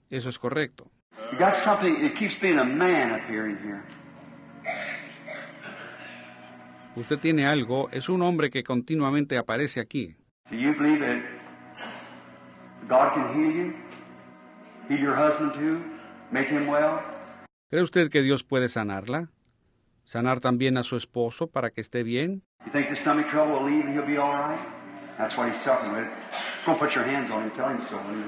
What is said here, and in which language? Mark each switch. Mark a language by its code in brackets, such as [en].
[es] Eso es correcto. [en] You got something, it keeps being a man appearing here. [es] Usted tiene algo, es un hombre que continuamente aparece aquí. [en] Do you believe that God can heal you? Heal your husband too? Make him well? [es] ¿Cree usted que Dios puede sanarla? ¿Sanar también a su esposo para que esté bien? [en] You think the stomach trouble will leave and he'll be all right? That's why he's suffering with it. Go put your hands on him, tell him so.